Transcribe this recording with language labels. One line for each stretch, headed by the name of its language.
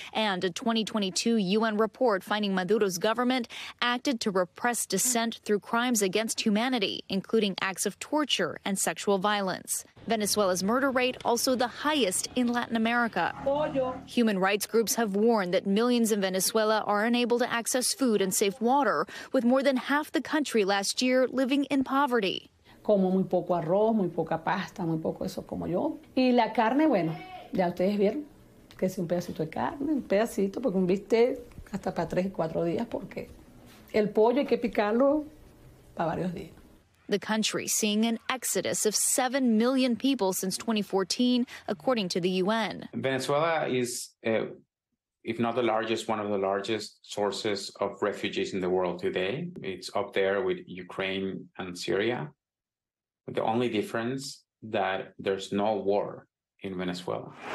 English: And a 2022 U.N. report finding Maduro's government acted to repress dissent through crimes against humanity, including acts of torture and sexual violence. Venezuela's murder rate also the highest in Latin America. Human rights groups have warned that millions in Venezuela are unable to access food and safe water, with more than half the country last year living in poverty.
Spanish: Como muy poco arroz, muy poca pasta, muy poco eso como yo. Y la carne, bueno, ya ustedes vieron que es un pedacito de carne, un pedacito, porque un bistec hasta para 3 y 4 días, porque el pollo hay que picarlo para varios días.
English: The country seeing an exodus of 7 million people since 2014, according to the UN. Venezuela is, if not the largest, one of the largest sources of refugees in the world today. It's up there with Ukraine and Syria. But the only difference that there's no war in Venezuela.